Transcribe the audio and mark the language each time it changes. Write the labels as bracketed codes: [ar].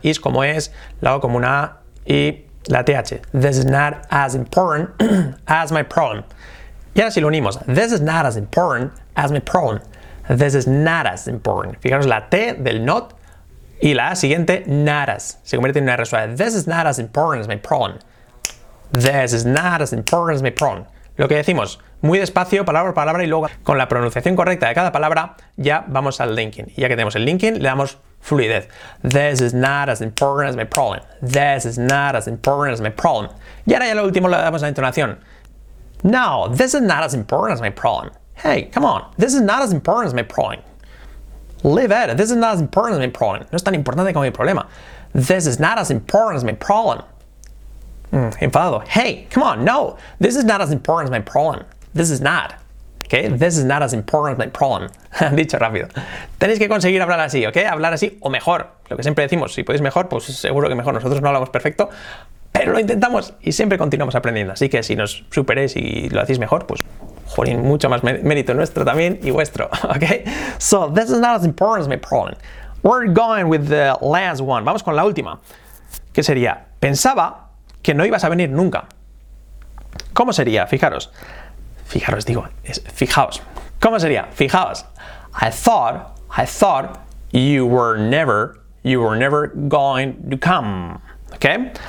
[es] Is como es, la O como una A y la TH. [en] This is not as important as my problem. [es] Y ahora si lo unimos. [en] This is not as important as my problem. This is not as important. [es] Fijaros la T del not. Y la siguiente, not as. Se convierte en una R suave. [en] This is not as important as my problem. This is not as important as my problem. [es] Lo que decimos, muy despacio, palabra por palabra, y luego con la pronunciación correcta de cada palabra, ya vamos al linking. Y ya que tenemos el linking, le damos fluidez. [en] This is not as important as my problem. This is not as important as my problem. [es] Y ahora ya lo último le damos la entonación. [en] No, this is not as important as my problem. Hey, come on. This is not as important as my problem. Leave it. This is not as important as my problem. [es] No es tan importante como mi problema. [en] This is not as important as my problem. Enfadado. Hey, come on, no. This is not as important as my problem. This is not. Okay? This is not as important as my problem. [es] Dicho rápido. Tenéis que conseguir hablar así, ¿ok? Hablar así o mejor. Lo que siempre decimos, si podéis mejor, pues seguro que mejor. Nosotros no hablamos perfecto, pero lo intentamos y siempre continuamos aprendiendo. Así que si nos superéis y lo hacéis mejor, pues... Jolín, mucho más mérito nuestro también y vuestro, ¿ok? [en] So, this is not as important as my problem. We're going with the last one. [es] Vamos con la última. ¿Qué sería? Pensaba que no ibas a venir nunca. ¿Cómo sería? Fijaros. Fijaros, digo. Fijaos. ¿Cómo sería? Fijaos. [en] I thought you were never going to come. ¿Ok?